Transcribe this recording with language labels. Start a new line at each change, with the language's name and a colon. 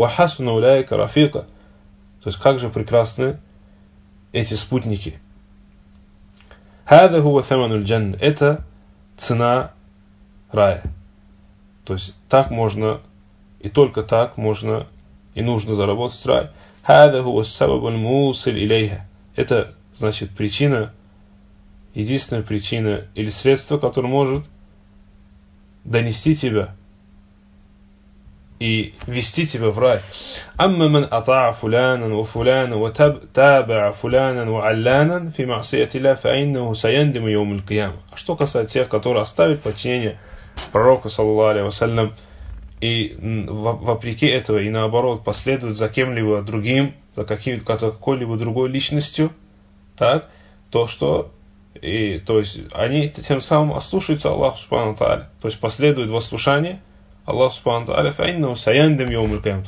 Arabic: Хасна уляйка рафика.
Russian: То есть как же прекрасны эти спутники.
Arabic: هذا هو ثمن الجنة.
Russian: Это цена рая. То есть так можно и только так можно и нужно заработать рай.
Arabic: هذا هو السبب الموصل إليها.
Russian: Это значит причина, единственная причина или средство, которое может донести тебя и вести тебя в рай.
Arabic: أما من أطاع فلانا وفلانا وتابع فلانا وعلانا في معصية الله فإنه سيندم يوم القيامة.
Russian: А что касается тех, которые оставят подчинение пророку саллаллаху алейхи ва саллям и вопреки этого и наоборот последуют за кем-либо другим, за какой-либо другой личностью, так, то что и, то есть они тем самым ослушаются Аллаха субхана ва тааля, то есть последуют в ослушании Аллах Субхану Тааля,
Arabic: фаинну саяндам йаумил кыям.